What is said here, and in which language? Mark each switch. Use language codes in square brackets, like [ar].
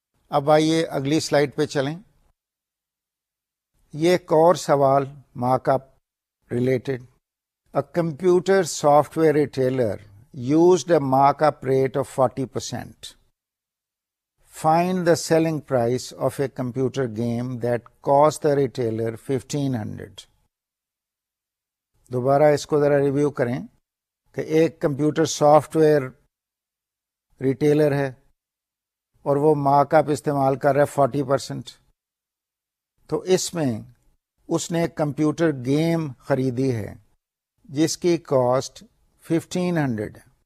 [ur] اب آئیے اگلی سلائیڈ پہ چلیں. یہ ایک اور سوال mark up related. [en] A computer software retailer used a markup rate of 40%. Find the selling price of a computer game that cost the retailer 1500. [ur] دوبارہ اس کو ذرا ریویو کریں کہ ایک کمپیوٹر سافٹ ویئر ریٹیلر ہے اور وہ مارک اپ استعمال کر رہا ہے 40%. تو اس میں اس نے ایک کمپیوٹر گیم خریدی ہے جس کی کاسٹ 1500.